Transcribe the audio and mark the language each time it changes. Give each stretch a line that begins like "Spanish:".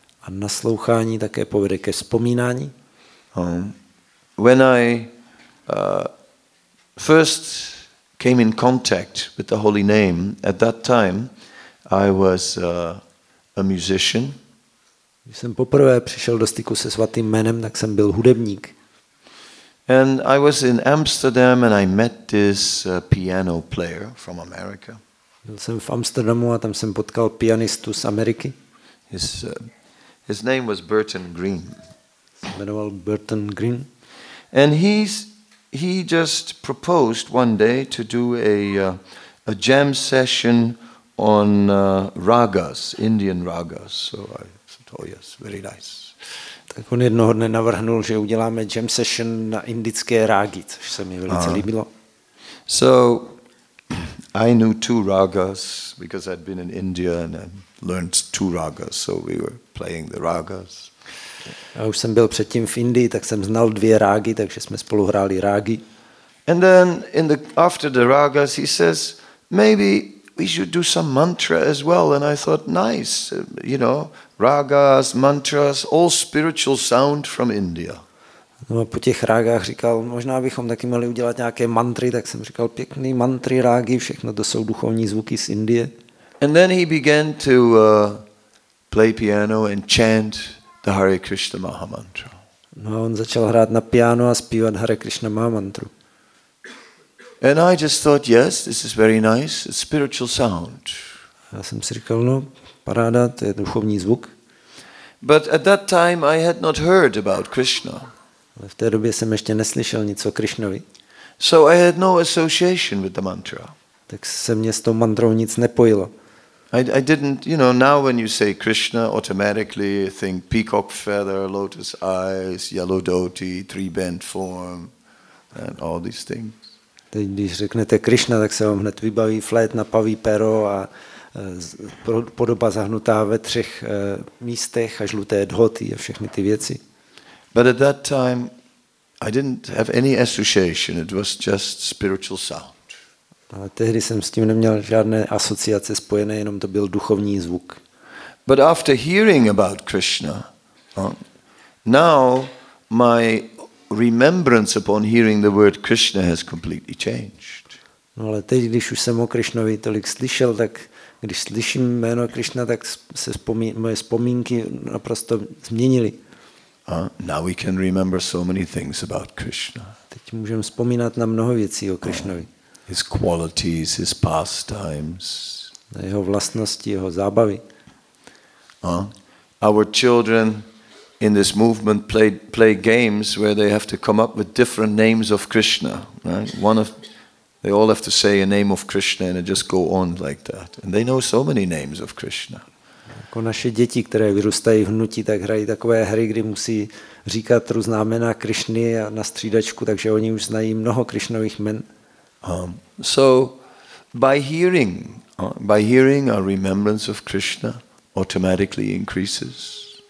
Czech: A naslouchání také povede ke vzpomínání.
English: When I first came in contact with the holy name, at that time I was a musician.
Czech: Když jsem poprvé přišel do styku se svatým jménem, tak jsem byl hudebník.
English: And I was in Amsterdam and I met this piano player from America.
Czech: Byl jsem v Amsterdamu a tam jsem potkal pianistu z Ameriky.
English: His name was Burton Green.
Czech: Jmenoval Burton Green.
English: And he just proposed one day to do a jam session on ragas, Indian ragas. So I said, oh yes, very nice.
Czech: Tak on jednoho dne navrhnul, že uděláme jam session na indické rágy, což se mi velice líbilo.
English: So I knew two ragas because I'd been in India and I learned two ragas, so we were playing the ragas.
Czech: Já už jsem byl předtím v Indii, tak jsem znal dvě rágy, takže jsme spolu hráli rágy.
English: And then after the ragas he says, maybe we should do some mantra as well, and I thought, nice, you know, ragas, mantras, all spiritual sound from India.
Czech: No a po těch rágách říkal, možná bychom taky mohli udělat nějaké mantry, tak jsem říkal, pěkný mantry, rágy, všechno to jsou duchovní zvuky z Indie.
English: And then he began to play piano and chant the Hare Krishna Maha Mantra.
Czech: No a on začal hrát na piano a zpívat Hare Krishna Maha Mantru.
English: And I just thought, yes, this is very nice, it's spiritual sound.
Czech: Já jsem si říkal, no, paráda, to je duchovní zvuk.
English: But at that time I had not heard about Krishna.
Czech: Ale v té době jsem ještě neslyšel nic o Krišnovi.
English: So I had no association with the mantra.
Czech: Tak se mě s tou mantrou nic nepojilo.
English: I didn't, you know, now when you say Krishna, automatically you think peacock feather, lotus eyes, yellow dhoti, three-band form, and all these things.
Czech: Teď, když řeknete Krishna, tak se vám hned vybaví flétna, paví pero a podoba zahnutá ve třech místech a žluté dhoti a všechny ty věci.
English: But at that time I didn't have any association, it was just spiritual sound.
Czech: Ale tehdy jsem s tím neměl žádné asociace spojené, jenom to byl duchovní zvuk.
English: But after hearing about Krishna, now my remembrance upon hearing the word Krishna has completely changed.
Czech: No, ale teď, když už jsem o Krišnovi tolik slyšel, tak když slyším jméno Krišna, tak se moje vzpomínky naprosto změnily.
English: Now we can remember so many things about Krishna.
Czech: Teď můžeme vzpomínat na mnoho věcí o Krišnovi.
English: His qualities, his pastimes.
Czech: Na jeho vlastnosti, jeho zábavy.
English: Our children in this movement play games where they have to come up with different names of Krishna, right? They all have to say a name of Krishna and it just go on like that. And they know so many names of Krishna.
Czech: Jako naše děti, které vyrůstají v hnutí, tak hrají takové hry, kdy musí říkat různá jména Krišny na střídačku, takže oni už znají mnoho Krišnových jmen.
English: So by hearing our remembrance of Krishna automatically increases.